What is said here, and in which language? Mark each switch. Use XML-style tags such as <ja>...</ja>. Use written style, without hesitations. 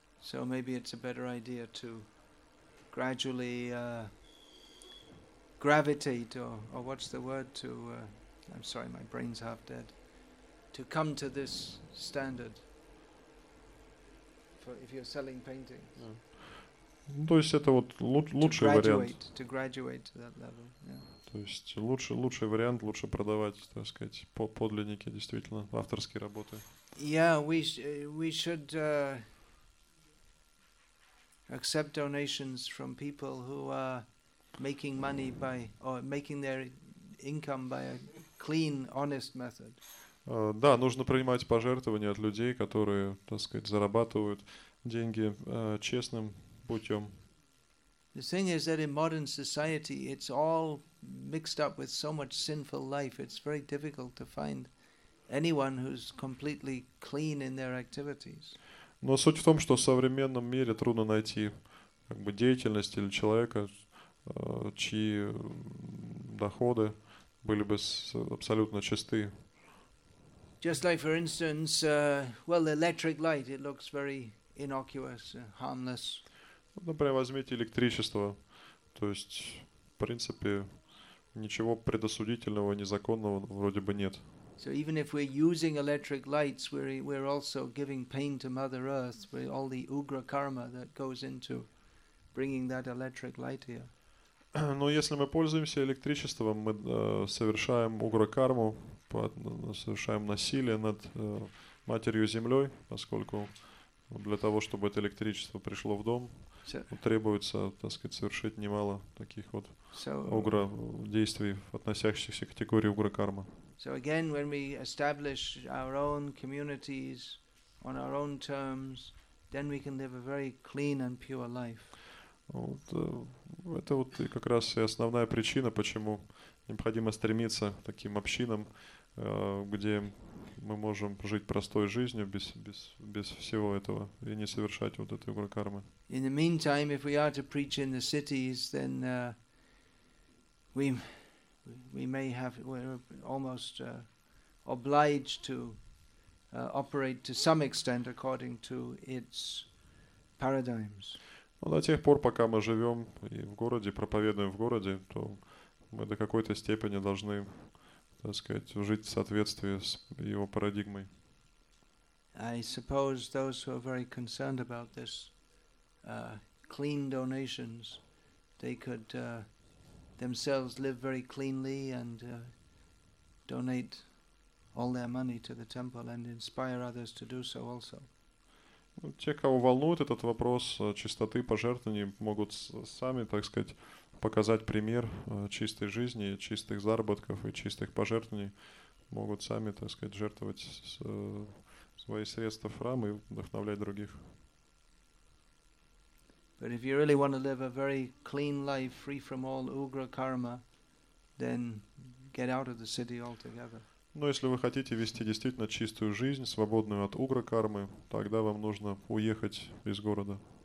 <en>So maybe it's a better idea to gradually gravitate, or what's the word to, I'm sorry, my brain's half dead, to come to this standard. If you're selling paintings.</en> <ru>Ну, то есть это вот лучший вариант.</ru> <en>To graduate to that level, yeah.</en> <ru>То есть лучший вариант, лучше продавать, так сказать, подлинники, действительно, авторские работы.</ru> <en>Yeah, we should accept donations from people who are making money by, or making their income by a clean, honest method.</en> <ru>Да, нужно принимать пожертвования от людей, которые, так сказать, зарабатывают деньги честным путем.</ru> <en>The thing is that in modern society it's all mixed up with so much sinful life. It's very difficult to find anyone who's completely clean in their activities.</en> <ru>Но суть в том, что в современном мире трудно найти, как бы, деятельность или человека, чьи доходы были бы абсолютно чисты.</ru> <en>Just like, for instance, well, electric light, it looks very innocuous, harmless.</en> <ru>Например, возьмите электричество. То есть, в принципе, ничего предосудительного, незаконного вроде бы нет.</ru> <en>So even if we're using electric lights, we're also giving pain to Mother Earth with all the ugra karma that goes into bringing that electric light here.</en> <ru>Но если мы пользуемся электричеством, мы совершаем угра карму, совершаем насилие над матерью землей, поскольку для того, чтобы это электричество пришло в дом, требуется, так сказать, совершить немало таких вот угра действий, относящихся к категории угра карма.</ru> <en>So again, when we establish our own communities on our own terms, then we can live a very clean and pure life.</en> <ru>Вот, это вот и как раз и основная причина, почему необходимо стремиться к таким общинам, где мы можем жить простой жизнью без всего этого и не совершать вот этой угры кармы.</ru> <en>In the meantime, if we are to preach in the cities, then we may have, we're almost obliged to operate to some extent according to its paradigms.</en> <ru>Но до тех пор, пока мы живем и в городе, проповедуем в городе, то мы до какой-то степени должны, так сказать, жить в соответствии с его парадигмой.</ru> <en>I suppose those who are very concerned about this clean donations, they could themselves live very cleanly and donate all their money to the temple and inspire others to do so also.</en> <ru>Те, кого волнует этот вопрос чистоты пожертвований, могут сами, так сказать, показать пример чистой жизни, чистых заработков и чистых пожертвований, могут сами, так сказать, жертвовать свои средства в храм и вдохновлять других.</ru> <en>But if you really want to live a very clean life, free from all ugra karma, then get out of the city altogether.</en> <ru>Но если вы хотите вести действительно чистую жизнь, свободную от угра кармы, тогда вам нужно уехать из города.</ru>